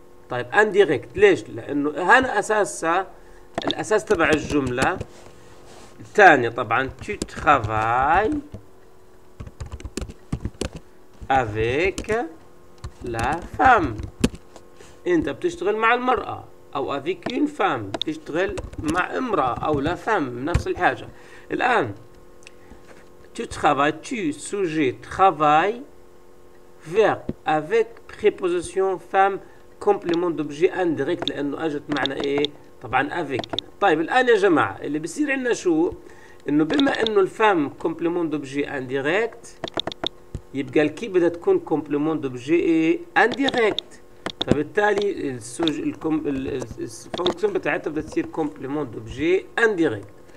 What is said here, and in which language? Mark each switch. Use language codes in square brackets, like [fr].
[ar] طيب انديريكت، ليش؟ لانه هنا اساسها الاساس تبع الجمله الثانيه، طبعا [fr] tu travailles avec la femme، [ar] انت بتشتغل مع المراه، او [fr] افيك اون فام [ar] تشتغل مع امراه، او لا فام نفس الحاجه. الان [fr] tu travailles، tu sujet travail verb avec préposition femme complément d'objet indirect، [ar] لانه اجت معنى ايه؟ طبعا افيك. طيب الان يا جماعه اللي بصير عندنا شو؟ انه بما انه الفام [fr] complément d'objet indirect [ar] يبقى الكي بدها تكون complément d'objet indirect، فبالتالي الفونكسيون بتاعتها بدها تصير [fr] كومبليمون دوبجي انديريكت.